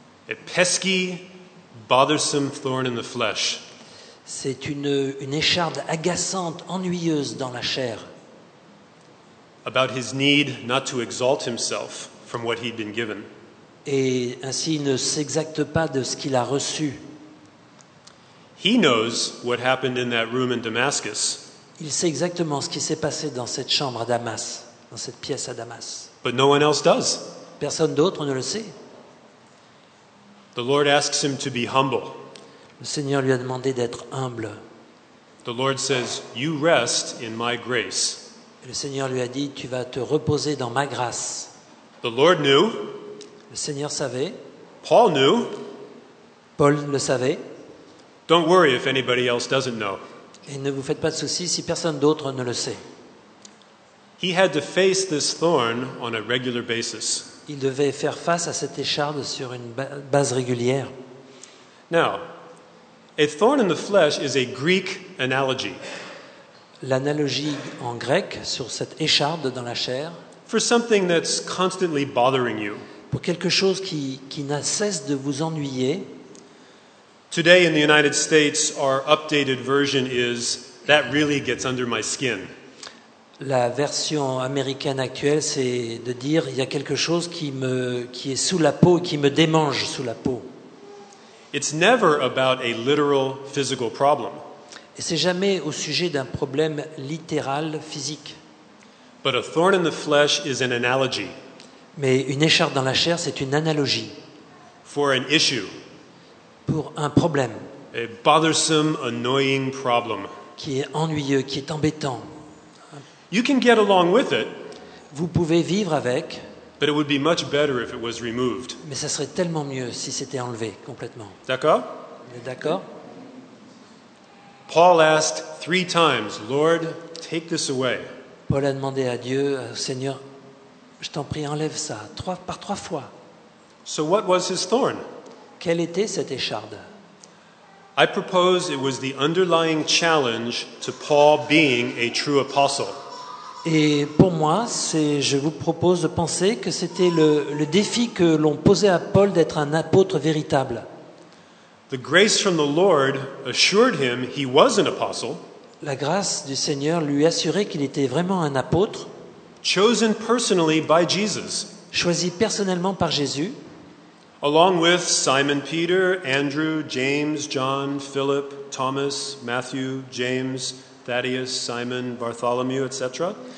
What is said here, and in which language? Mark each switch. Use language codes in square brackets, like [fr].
[en] A pesky, bothersome thorn in the flesh. [fr] C'est une écharde agaçante, ennuyeuse dans la chair. [en] About his need not to exalt himself from what he'd been given. [fr] Et ainsi, il ne s'exalte pas de ce qu'il a reçu. [en] He knows what happened in that room in Damascus. [fr] Il sait exactement ce qui s'est passé dans cette chambre à Damas, dans cette pièce à Damas. [en] But no one else does. [fr] Personne d'autre ne le sait. [en] The Lord asks him to be humble. [fr] Le Seigneur lui a demandé d'être humble. [en] The Lord says, "You rest in my grace." [fr] Et le Seigneur lui a dit, "Tu vas te reposer dans ma grâce." [en] The Lord knew. [fr] Le Seigneur savait. [en] Paul knew. [fr] Paul le savait. [en] Don't worry if anybody else doesn't know. [fr] Et ne vous faites pas de soucis si personne d'autre ne le sait. [en] He had to face this thorn on a regular basis. [fr] Il devait faire face à cette écharde sur une base régulière. [en] Now, a thorn in the flesh is a Greek analogy. [fr] L'analogie en grec sur cette écharde dans la chair. [en] For something that's constantly bothering you. [fr] Pour quelque chose qui n'a cesse de vous ennuyer. [en] Today in the United States, our updated version is that really gets under my skin. [fr] La version américaine actuelle, c'est de dire il y a quelque chose qui est sous la peau, qui me démange sous la peau. [en] It's never about a literal physical problem. [fr] Et c'est jamais au sujet d'un problème littéral physique. [en] But a thorn in the flesh is an analogy. [fr] Mais une écharde dans la chair, c'est une analogie. [en] For an issue. [fr] Pour un problème. [en] A bothersome, annoying problem. [fr] Qui est ennuyeux, qui est embêtant. [en] You can get along with it. [fr] Vous pouvez vivre avec. [en] But it would be much better if it was removed. [fr] Mais ça serait tellement mieux si c'était enlevé complètement. D'accord? D'accord. [en] Paul asked three times, Lord, take this away. [fr] Paul a demandé à Dieu, au Seigneur, je t'en prie, enlève ça, par trois fois. [en] So what was his thorn? [fr] Quelle était cette écharde? [en] I propose it was the underlying challenge to Paul being a true apostle. [fr] Et pour moi, je vous propose de penser que c'était le défi que l'on posait à Paul d'être un apôtre véritable. [en] The grace from the Lord assured him he was an apostle. [fr] La grâce du Seigneur lui assurait qu'il était vraiment un apôtre. [en] Chosen personally by Jesus. [fr] Choisi personnellement par Jésus. [en] Along with Simon Peter, Andrew, James, John, Philip, Thomas, Matthew, James, Thaddeus, Simon, Bartholomew, etc.